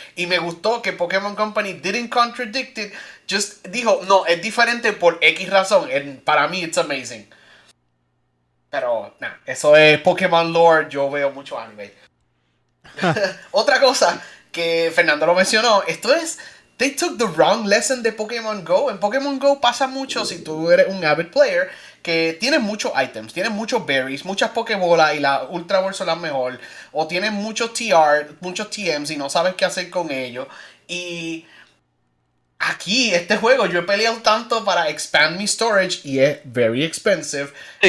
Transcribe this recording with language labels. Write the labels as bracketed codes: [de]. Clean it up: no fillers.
[es] Y me gustó que Pokémon Company [en] didn't contradict it, just [es] dijo, no, es diferente por X razón. And para mí, [en] it's amazing. [es] Pero, nada, eso es Pokémon lore, yo veo mucho anime. Otra cosa que Fernando lo mencionó, esto es. [en] They took the wrong lesson de Pokémon Go. [es] En Pokémon Go pasa mucho si tú eres un [en] avid player [es] que tienes muchos ítems, tienes muchos berries, muchas Pokébolas y la Ultra Ball son las mejor. O tienes muchos TR, muchos TMs y no sabes qué hacer con ellos. Y aquí, este juego, yo he peleado tanto para expand mi storage y es [en] very expensive. [es] Y